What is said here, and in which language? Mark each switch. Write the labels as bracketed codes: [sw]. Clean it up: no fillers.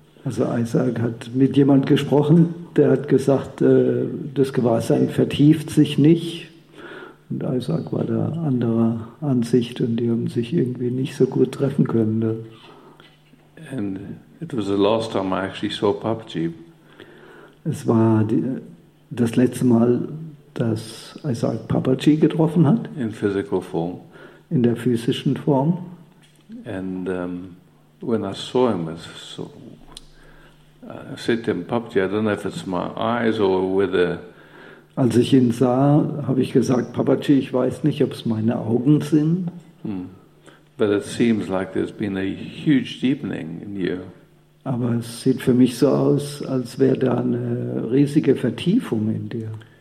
[de] Also Isaac hat mit jemand gesprochen, der hat gesagt, das Gewahrsein vertieft sich nicht. Und Isaac war da anderer Ansicht und die haben sich irgendwie nicht so gut treffen können. Ne? [en] And it was the last time I actually saw Papaji. [de] Es war das letzte Mal, dass Isaac Papaji getroffen hat. [en] In physical form. [de] In der physischen Form. [en] And when I saw him, I said to him, Papaji, I don't know if it's my eyes or whether. [de] Als ich ihn sah, habe ich gesagt, Papaji, ich weiß nicht, ob es meine Augen sind. Hmm. [en] But it seems like there's been a huge deepening in you. [de] Aber es sieht für mich so aus, als wäre da eine riesige Vertiefung in dir.